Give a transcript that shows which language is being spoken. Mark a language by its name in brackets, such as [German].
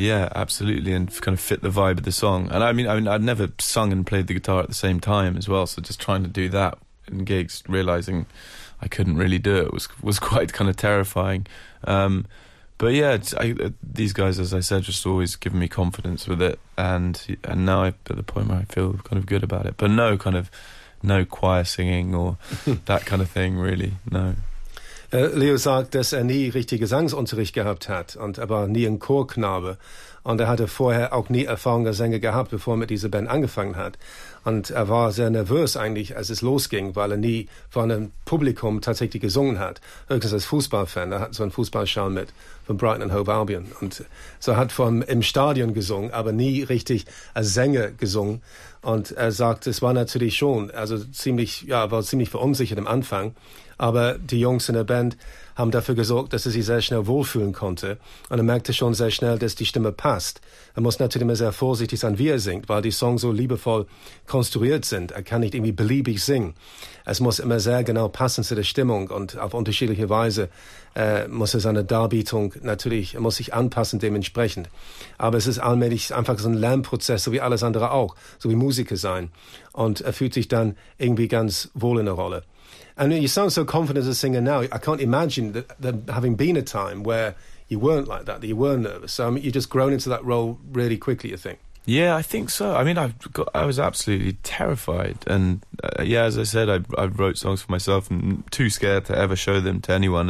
[English] Yeah, absolutely, and kind of fit the vibe of the song. And I mean, I'd never sung and played the guitar at the same time as well, so just trying to do that in gigs, realising I couldn't really do it was quite kind of terrifying. But yeah, these guys, as I said, just always given me confidence with it, and now I'm at the point where I feel kind of good about it. But no choir singing or that kind of thing, really, no. [German] Leo sagt, dass nie richtig Gesangsunterricht gehabt hat, und er war nie ein Chorknabe, und hatte vorher auch nie Erfahrung als Sänger gehabt, bevor mit dieser Band angefangen hat. Und war sehr nervös eigentlich, als es losging, weil nie vor einem Publikum tatsächlich gesungen hat. Höchstens als Fußballfan, hat so einen Fußballschal mit von Brighton and Hove Albion. Und so hat im Stadion gesungen, aber nie richtig als Sänger gesungen. Und sagt, es war natürlich schon, war ziemlich verunsichert am Anfang. Aber die Jungs in der Band haben dafür gesorgt, dass er sich sehr schnell wohlfühlen konnte. Und er merkte schon sehr schnell, dass die Stimme passt. Er muss natürlich immer sehr vorsichtig sein, wie er singt, weil die Songs so liebevoll konstruiert sind. Er kann nicht irgendwie beliebig singen. Es muss immer sehr genau passen zu der Stimmung, und auf unterschiedliche Weise muss er seine Darbietung natürlich, er muss sich anpassen dementsprechend. Aber es ist allmählich einfach so ein Lernprozess, so wie alles andere auch, so wie Musiker sein. Und er fühlt sich dann irgendwie ganz wohl in der Rolle. [English] And you sound so confident as a singer now. I can't imagine that having been a time where you weren't like that, that you were nervous. So I mean, you've just grown into that role really quickly, you think? Yeah, I think so. I mean, I was absolutely terrified. And as I said, I wrote songs for myself and too scared to ever show them to anyone.